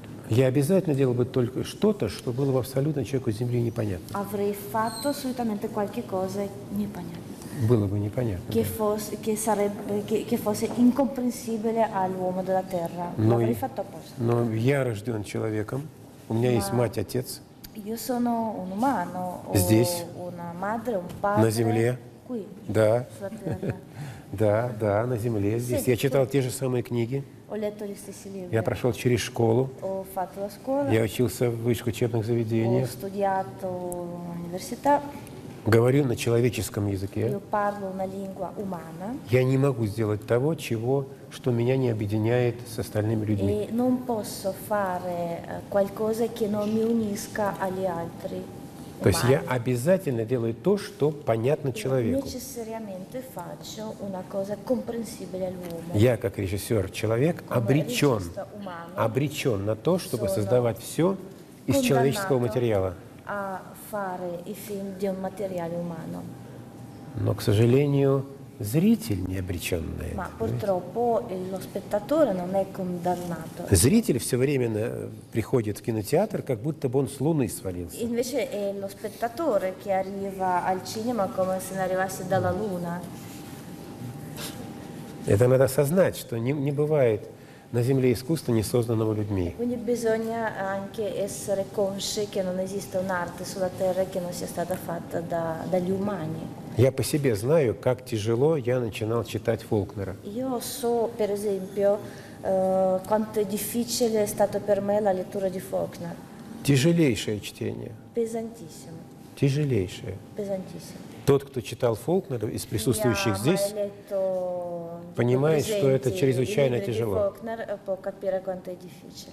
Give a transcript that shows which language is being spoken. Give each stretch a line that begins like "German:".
Russian: Я обязательно делал бы только что-то, что было бы абсолютно человеку Земли непонятно.
Italian: Avrei fatto assolutamente qualche cosa
Russian: непонятно. Было бы непонятно.
Italian: Che fosse, che sarebbe, che fosse incomprensibile all'uomo della terra.
Russian: Но я рожден человеком. У меня есть мать, отец.
Italian: Io sono un umano.
Russian: Здесь.
Italian: Una madre, un padre.
Russian: На земле.
Italian: Qui.
Russian: Да. Да, да, на земле. Здесь. Я читал те же самые книги.
Italian: Ho letto gli stessi libri.
Russian: Я прошел через школу.
Italian: Ho fatto la scuola.
Russian: Я учился в высших учебных заведениях.
Italian: Ho studiato all'università.
Russian: Говорю на человеческом языке.
Italian: Io parlo una lingua umana.
Russian: Я не могу сделать того, чего, что меня не объединяет с остальными людьми.
Italian: E non posso fare qualcosa che non mi unisca agli altri.
Russian: То есть я обязательно делаю то, что понятно человеку.
Italian: Necessariamente faccio una cosa comprensibile all'uomo.
Russian: Я как режиссер человек обречен, обречен на то, чтобы создавать все из человеческого материала.
Italian: A fare i film di un materiale umano.
Russian: Но, к сожалению, зритель не обречен на это.
Italian: Ma purtroppo lo spettatore non è condannato.
Russian: Зритель все время приходит в кинотеатр, как будто бы он с луны свалился.
Italian: Invece è lo spettatore che arriva al cinema come se ne arrivasse dalla luna.
Russian: Это надо осознать, что не бывает на земле искусства, не созданного людьми.
Italian: Quindi bisogna anche essere consci che non esiste un'arte sulla terra che non sia stata fatta dagli umani.
Russian: Я по себе знаю, как тяжело я начинал читать Фолкнера.
Italian: Io so, per esempio, quanto difficile è stato per me la lettura di Faulkner.
Russian: Тяжелейшее чтение.
Italian: Pesantissimo.
Russian: Тяжелейшее.
Italian: Pesantissimo.
Russian: Тот, кто читал Фолкнера из присутствующих здесь,
Italian: letto...
Russian: понимает, что это чрезвычайно тяжело.
Italian: Faulkner, può capire quanto è difficile.